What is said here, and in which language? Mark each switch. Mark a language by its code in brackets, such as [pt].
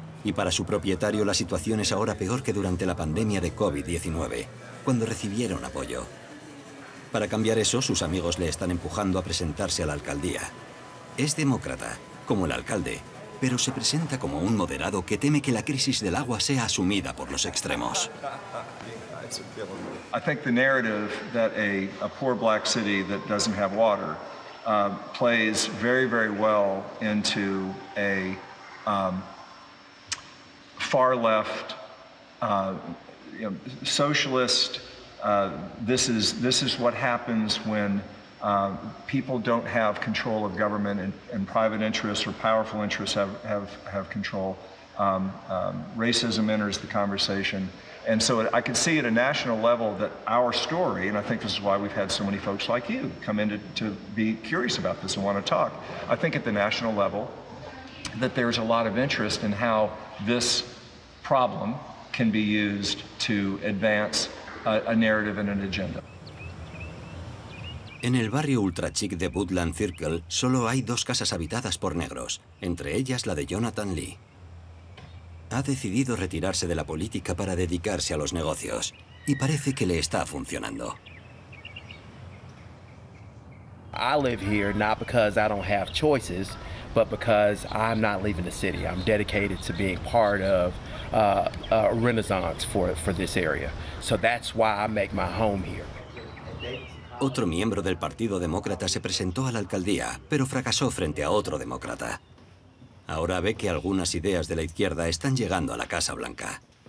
[es] Y para su propietario la situación es ahora peor que durante la pandemia de COVID-19, cuando recibieron apoyo. Para cambiar eso, sus amigos le están empujando a presentarse a la alcaldía. Es demócrata, como el alcalde, pero se presenta como un moderado que teme que la crisis del agua sea asumida por los extremos. [en] I think the narrative that a poor black city that doesn't have water plays very, very well into a far left socialist. This is what happens when people don't have control of government and private interests or powerful interests have control. Racism enters the conversation. And so I can see at a national level that our story, and I think this is why we've had so many folks like you come in to be curious about this and want to talk. I think at the national level that there's a lot of interest in how this problem can be used to advance a narrative and an agenda. [es] En el barrio ultra chic de Woodland Circle, solo hay dos casas habitadas por negros, entre ellas la de Jonathan Lee. Ha decidido retirarse de la política para dedicarse a los negocios, y parece que le está funcionando. [en] I live here not because I don't have choices, but because I'm not leaving the city. I'm dedicated to being part of a renaissance for this area. So that's why I make my home here. [es] Otro miembro del Partido Demócrata se presentó a la alcaldía, pero fracasó frente a otro demócrata. Ahora ve que algunas ideas de la izquierda están llegando a la Casa Blanca.